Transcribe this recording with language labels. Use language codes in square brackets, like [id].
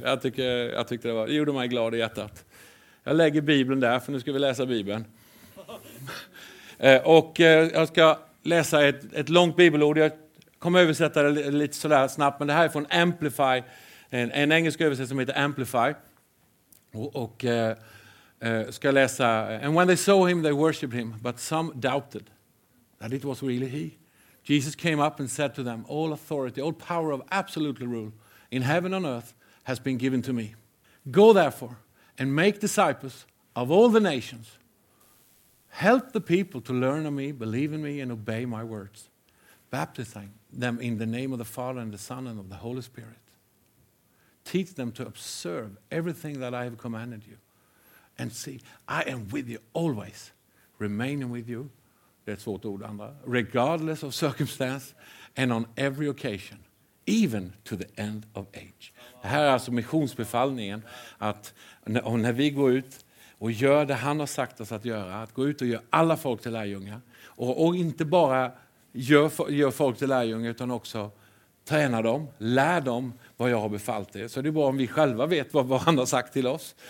[sv] Jag tyckte det var, det gjorde mig glad i hjärtat. Jag lägger Bibeln där för nu ska vi läsa Bibeln. Och jag ska läsa ett långt bibelord. Jag kommer översätta det lite sådär snabbt. Men det här är från Amplify. En engelsk översättning som heter Amplify. Och ska läsa. [en] And when they saw him, they worshipped him. But some doubted that it was really he. Jesus came up and said to them, all authority, all power of absolute rule in heaven and earth has been given to me. Go therefore and make disciples of all the nations. Help the people to learn of me, believe in me and obey my words. Baptizing them in the name of the Father and the Son and of the Holy Spirit. Teach them to observe everything that I have commanded you. And see, I am with you always, remaining with you, that's what [sv] ord andra, [en] regardless of circumstance, and on every occasion, even to the end of age. [sv] Det här är alltså missionsbefallningen, att när vi går ut och gör det han har sagt oss att göra, att gå ut och göra alla folk till lärjungar, och inte bara gör folk till lärjungar, utan också träna dem, lär dem vad jag har befallt er. Så det är bra om vi själva vet vad han har sagt till oss.